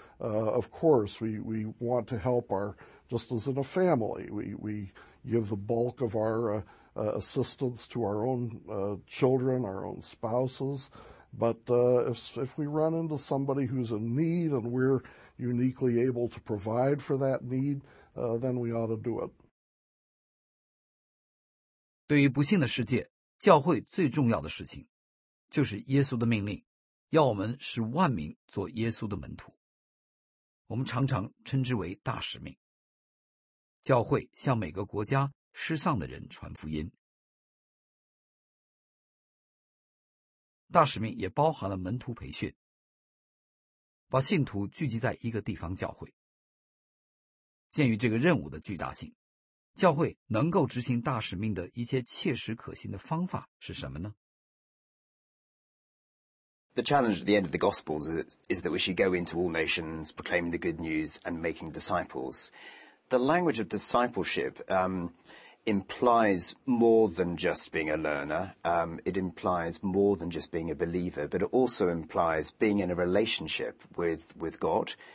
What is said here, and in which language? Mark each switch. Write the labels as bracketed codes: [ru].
[en] Of course, we want to help our, just as in a family, we give the bulk of our assistance to our own children, our own spouses. But if we run into somebody who's in need and we're uniquely able to provide for that need, then we ought to do it. [zh] 对于不幸的世界，教会最重要的事情就是耶稣的命令，要我们使万民做耶稣的门徒。我们常常称之为大使命。教会向每个国家失丧的人传福音。大使命也包含了门徒培训，把信徒聚集在一个地方教会。鉴于这个任务的巨大性，教会能够执行大使命的一些切实可行的方法是什么呢？ [en] The challenge at the end of the Gospels is that we should go into all nations, proclaim the good news, and making disciples. The language of discipleship, implies more than just being a learner. It implies more than just being a believer, but it also implies being in a relationship with God.